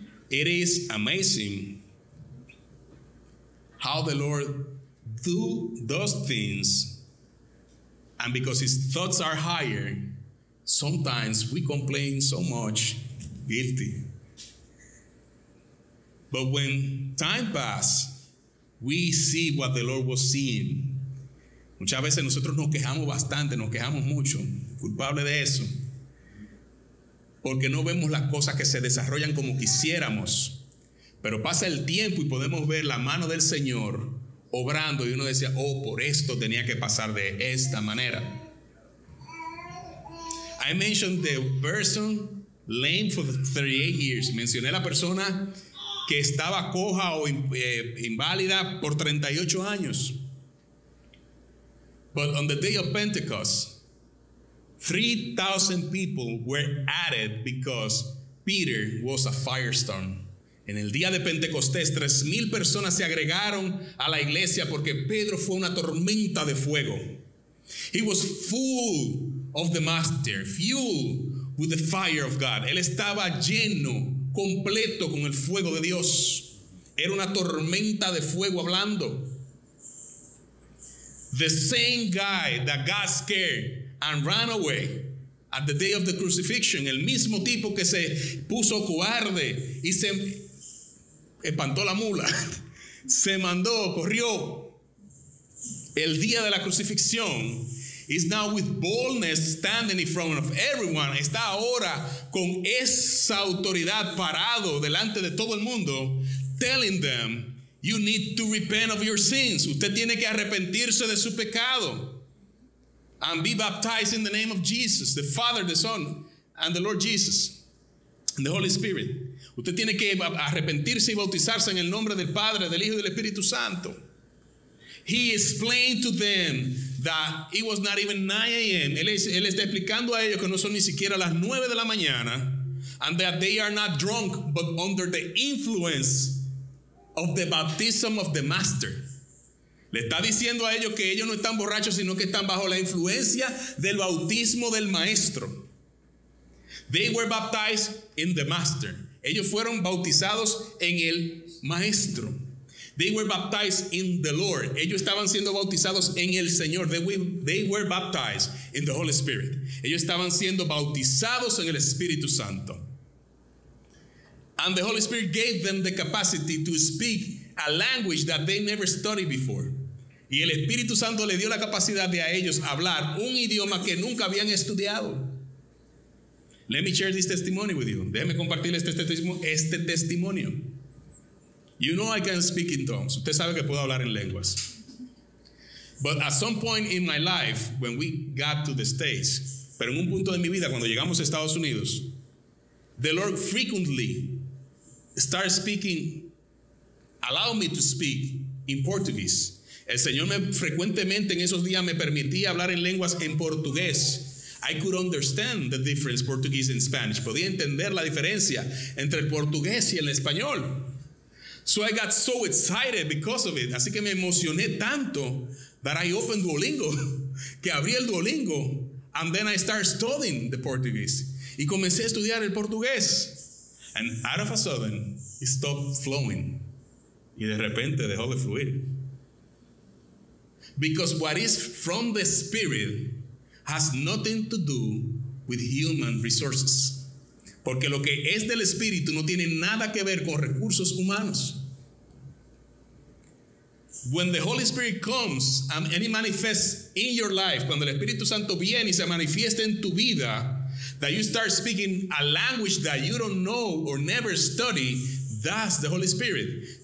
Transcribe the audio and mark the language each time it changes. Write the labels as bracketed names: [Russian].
[English] It is amazing how the Lord does things, and because his thoughts are higher, sometimes we complain so much, guilty. But when time passes, we see what the Lord was seeing. [Spanish] Muchas veces nosotros nos quejamos bastante, nos quejamos mucho, culpable de eso, porque no vemos las cosas que se desarrollan como quisiéramos. Pero pasa el tiempo y podemos ver la mano del Señor obrando, y uno decía, oh, por esto tenía que pasar de esta manera. [English] I mentioned the person lame for 38 years. [Spanish] Mencioné la persona que estaba coja o inválida por 38 años. [English] But on the day of Pentecost, 3,000 people were added because Peter was a firestorm. [Spanish] En el día de Pentecostés, 3,000 personas se agregaron a la iglesia porque Pedro fue una tormenta de fuego. [English] He was full of the master, fueled with the fire of God. [Spanish] Él estaba lleno, completo con el fuego de Dios. Era una tormenta de fuego hablando. [English] The same guy that got scared and ran away at the day of the crucifixion. [Spanish] El mismo tipo que se puso cobarde y se espantó la mula. Se mandó, corrió. El día de la crucifixión [English] is now with boldness standing in front of everyone. [Spanish] Está ahora con esa autoridad parado delante de todo el mundo [English] telling them, you need to repent of your sins. [Spanish] Usted tiene que arrepentirse de su pecado. [English] And be baptized in the name of Jesus, the Father, the Son, and the Lord Jesus, and the Holy Spirit. [Spanish] Usted tiene que arrepentirse y bautizarse en el nombre del Padre, del Hijo y del Espíritu Santo. [English] He explained to them that it was not even 9 a.m. [Spanish] Él está explicando a ellos que no son ni siquiera las 9 de la mañana, [English] and that they are not drunk, but under the influence of the baptism of the Master. [Spanish] Le está diciendo a ellos que ellos no están borrachos, sino que están bajo la influencia del bautismo del Maestro. [English] They were baptized in the Master. [Spanish] Ellos fueron bautizados en el Maestro. [English] They were baptized in the Lord. [Spanish] Ellos estaban siendo bautizados en el Señor. [English] They were baptized in the Holy Spirit. [Spanish] Ellos estaban siendo bautizados en el Espíritu Santo. [English] And the Holy Spirit gave them the capacity to speak a language that they never studied before. [Spanish] Y el Espíritu Santo le dio la capacidad de a ellos hablar un idioma que nunca habían estudiado. [English] Let me share this testimony with you. [Spanish] Déjeme compartir este testimonio. [English] You know I can speak in tongues. [Spanish] Usted sabe que puedo hablar en lenguas. [English] But at some point in my life, when we got to the States, [Spanish] pero en un punto de mi vida, cuando llegamos a Estados Unidos, [English] the Lord frequently started speaking, allow me to speak in Portuguese. [Spanish] El Señor me frecuentemente en esos días me permitía hablar en lenguas en portugués. [English] I could understand the difference Portuguese and Spanish. [Spanish] Podía entender la diferencia entre el portugués y el español. [English] So I got so excited because of it. [Spanish] Así que me emocioné tanto [English] that I opened Duolingo. [Spanish] Que abrí el Duolingo. [English] And then I started studying the Portuguese. [Spanish] Y comencé a estudiar el portugués. [English] And out of a sudden, it stopped flowing. [Spanish] Y de repente dejó de fluir. [English] Because what is from the Spirit has nothing to do with human resources. [Spanish] Porque lo que es del Espíritu no tiene nada que ver con recursos humanos. [English] When the Holy Spirit comes and he manifests in your life, [Spanish] cuando el Espíritu Santo viene y se manifiesta en tu vida, [English] that you start speaking a language that you don't know or never study, that's the Holy Spirit.